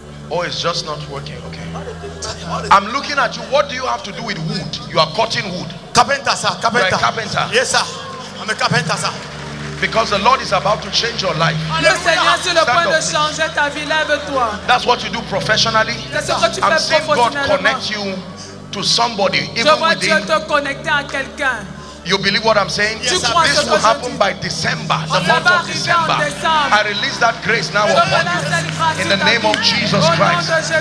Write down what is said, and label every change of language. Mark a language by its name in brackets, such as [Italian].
[English] Oh, it's just not working. Okay. I'm looking at you. What do you have to do with wood? You are cutting wood. Carpenter, sir. Carpenter. You're a carpenter. Yes, sir. I'm a carpenter, sir. Because the Lord is about to change your life. [French] Le Seigneur sur le point de changer ta vie. Lève-toi. [English] That's what you do professionally. [French] C'est ce que tu fais professionnellement. [English] I'm seeing God connect you to somebody, even within. [French] Je vois Dieu te connecter à quelqu'un. [English] You believe what I'm saying? Yes, this will happen by December, the month of December. I release that grace now upon you. In the name of Jesus Christ.